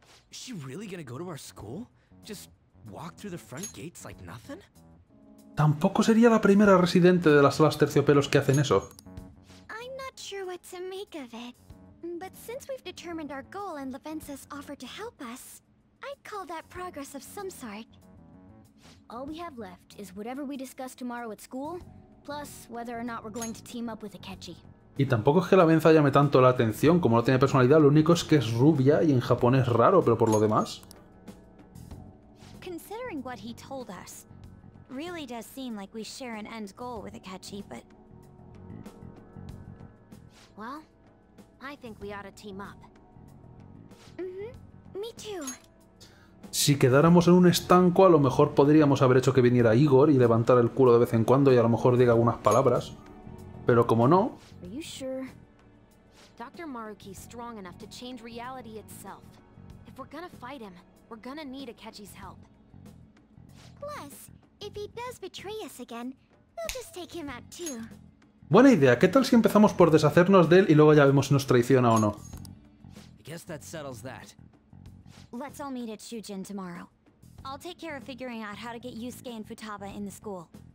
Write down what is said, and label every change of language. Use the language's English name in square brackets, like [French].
[English] Is she really gonna go to our school? Just walk through the front gates like nothing? [Spanish] Tampoco sería la primera residente de las salas terciopelos que hacen eso. [English] I'm not sure what to make of it. But since we've determined our goal and Lavenza's offer to help us, I'd call that progress of some sort. All we have left is whatever we discuss tomorrow at school, plus whether or not we're going to team up with Akechi. [Spanish] Y tampoco es que Lavenza llame tanto la atención, como no tiene personalidad, lo único es que es rubia y en japonés raro, pero por lo demás. [English] Considering what he told us, really does seem like we share an end goal with Akechi, but well, I think we ought to team up. Me too. [Spanish] Si quedáramos en un estanco, a lo mejor podríamos haber hecho que viniera Igor y levantar el culo de vez en cuando y a lo mejor diga algunas palabras. Pero como no. [English] Are you sure? Dr. Maruki's strong enough to change reality itself. If we're gonna fight him, we're gonna need Akechi's help. Plus, if he does betray us again, we'll just take him out too. [Spanish] Buena idea. ¿Qué tal si empezamos por deshacernos de él y luego ya vemos si nos traiciona o no? [English] I guess that settles that. Let's all meet at Shujin tomorrow. I'll take care of figuring out how to get Yusuke and Futaba in the school.